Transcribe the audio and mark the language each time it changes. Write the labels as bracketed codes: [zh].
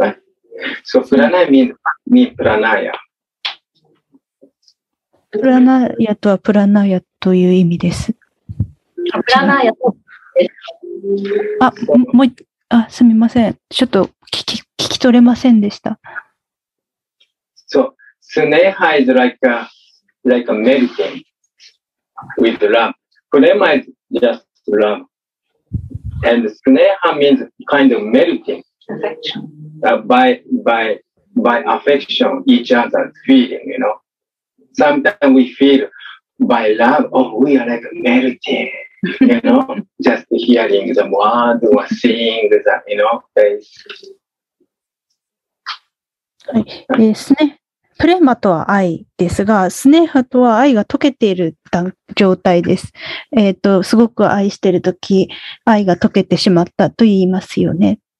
[en] Right. So pranaya means pranaya. [ja] Pranaya とはプラナヤという意味です。プラナヤと。あ、もう、あ、すみません。ちょっと聞き取れませんでした。 [en] So sneha is like a melting with love. Prema is just love. And sneha means kind of melting. Affection. By affection, each other's feeling, you know. Sometimes we feel by love, oh, we are like melting, you know, just hearing the word or seeing the, you know, face. [ja] はい、ですね。プレマとは愛ですが、スネハとは愛が溶けている状態です。すごく愛しているとき、愛が溶けてしまったと言いますよね。